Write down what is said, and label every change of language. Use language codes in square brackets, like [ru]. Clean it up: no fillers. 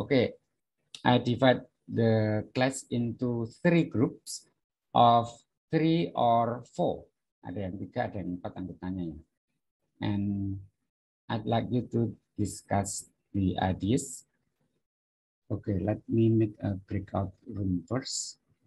[en] Okay. I divide the class into 3 groups of 3 or 4. [id] Ada yang 3 ada yang 4 anggotanya ya. [en] And I'd like you to discuss the ideas. Okay, let me make a breakout room first.